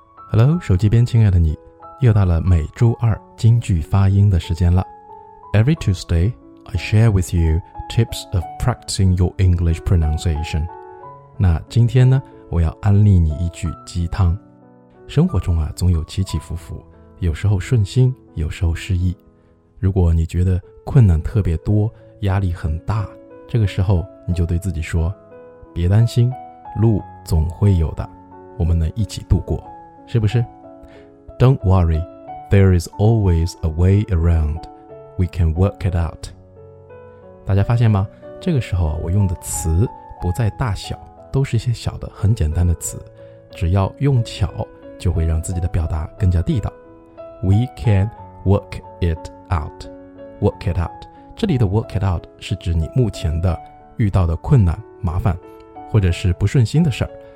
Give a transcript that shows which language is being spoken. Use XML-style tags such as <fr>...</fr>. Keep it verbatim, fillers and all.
<zh>Hello， 手机边亲爱的你，又到了每周二京剧发音的时间了。</zh> <en>Every Tuesday, I share with you tips of practicing your English pronunciation.</en> <zh>那今天呢，我要安利你一句鸡汤。生活中啊，总有起起伏伏，有时候顺心，有时候失意。如果你觉得困难特别多，压力很大，这个时候你就对自己说，别担心，路总会有的，我们能一起度过，是不是？</zh> <en>Don't worry, there is always a way around. We can work it out.</en> <zh>大家发现吗？这个时候啊，我用的词不在大小，都是一些小的很简单的词，只要用巧就会让自己的表达更加地道。</zh> <en>We can work it out. Work it out.</en> <zh>这里的</zh> <en>work it out</en> <zh>是指你目前的遇到的困难、麻烦，或者是不顺心的事儿。</zh>